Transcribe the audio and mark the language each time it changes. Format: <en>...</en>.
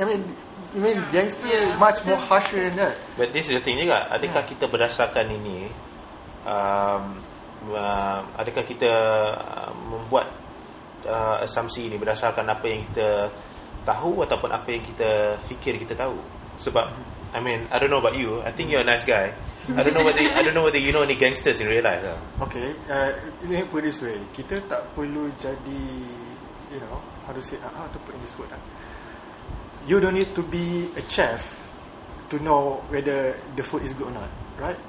<en>I mean gangster much more harsher than that. But this is the thing juga.</en> <ms>Adakah kita berdasarkan ini, adakah kita membuat asumsi ini berdasarkan apa yang kita tahu ataupun apa yang kita fikir kita tahu? Sebab</ms> <en>I mean, I don't know about you, I think you're a nice guy. I don't know whether you know any gangsters in real life. Okay, let me put it this way.</en> <ms>Kita tak perlu jadi,</ms> <en>you know, harus say ataupun in this word lah. You don't need to be a chef to know whether the food is good or not, right?</en>